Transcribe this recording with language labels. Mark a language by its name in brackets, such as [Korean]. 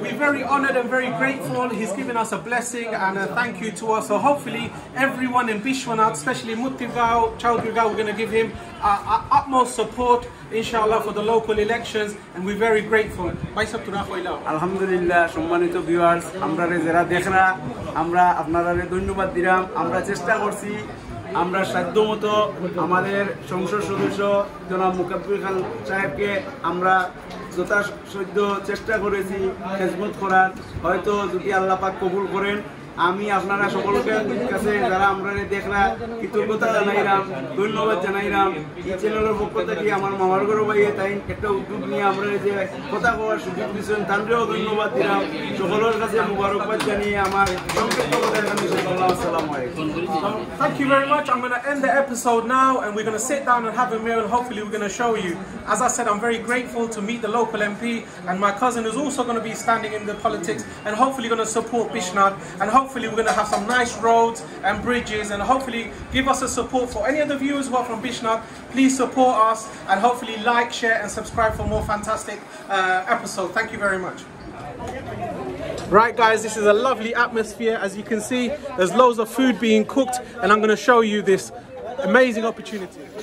[English] We're very honored and very grateful. He's given us a blessing and a thank you to us. So hopefully everyone in Bishwanath, especially Muttigao, Chaudhrygao, we're going to give him our utmost support, inshallah, for the local elections, and we're very grateful. [Bangla] Alhamdulillah, সম্মানিত viewers, আমরা যারা দেখরা, আমরা আপনাদের ধন্যবাদ দিলাম, আমরা চেষ্টা করছি, আমরা সাধ্যমত আমাদের সংসদ সদস্য জনাব মুকাব্বির খান সাহেবকে আমরা যথাসাধ্য চেষ্টা করেছি খেজমত করার, হয়তো যদি আল্লাহ পাক কবুল করেন আমি আপনারা সকলকে কাছে যারা আমরা দেখরা কৃতজ্ঞতা জানাইরাম ধন্যবাদ জানাইরাম এই চ্যানেলের পক্ষ থেকে আমার মামার গরো ভাইয়ে তাই একটা উদ্যোগ নিয়ে আমরা যে কথা কওয়ার সুযোগ দিয়েছেন তাদেরও ধন্যবাদ দিলাম সকলের কাছে মোবারকবাদ জানিয়ে আমার সংক্ষিপ্ত কথা আমি সাল্লাল্লাহু আলাইহি ওয়াসাল্লাম [English] Thank you very much I'm gonna end the episode now and we are gonna sit down and have a meal and hopefully we are gonna show you as I said I'm very grateful to meet the local MP and my cousin is also gonna be standing in the politics and hopefully gonna support Bishnath And hopefully we're going to have some nice roads and bridges and hopefully give us a support for any of the viewers who are from Bishnath. Please support us and hopefully like, share and subscribe for more fantastic episodes. Thank you very much. Right guys, this is a lovely atmosphere. As you can see, there's loads of food being cooked and I'm going to show you this amazing opportunity.